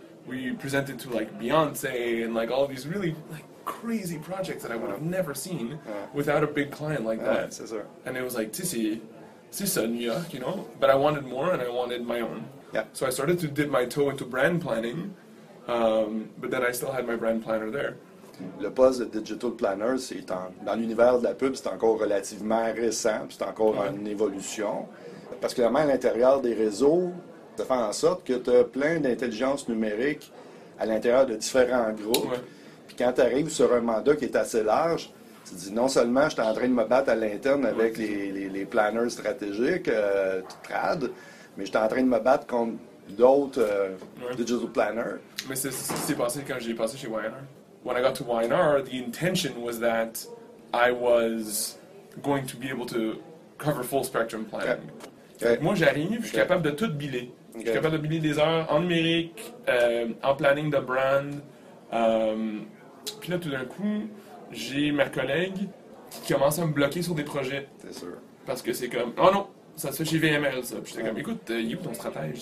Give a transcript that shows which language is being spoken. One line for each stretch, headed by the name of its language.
English: We presented to like Beyonce and like all of these really like crazy projects that I would have never seen without a big client like that.
French: C'est ça.
English: And it was like,
French: c'est ça,
English: New York, you know? But I wanted more and I wanted my own. Yeah. So I started to dip my toe into brand planning, but then I still had my brand planner there.
French: Le poste de digital planner, c'est dans l'univers de la pub, c'est encore relativement récent, c'est encore une évolution. Parce que la main à l'intérieur des réseaux, ça fait en sorte que tu as plein d'intelligence numérique à l'intérieur de différents groupes. Puis quand tu arrives sur un mandat qui est assez large, tu te dis non seulement je suis en train de me battre à l'interne avec les planners stratégiques, trad, mais je suis en train de me battre contre d'autres digital planners. Mais c'est passé quand j'ai passé chez Weiner.
English: When I got to Y&R, the intention was that I was going to be able to cover full spectrum planning. Okay.
French: Moi, j'arrive, je suis capable de tout biler. Okay. Je suis capable de biler des heures en numérique, en planning de brand. Puis là, tout d'un coup, j'ai ma collègue qui commence à me bloquer sur des projets. C'est sûr. Parce que c'est comme, oh non, ça se fait chez VML, ça. Puis j'étais comme, écoute, il est où ton stratège?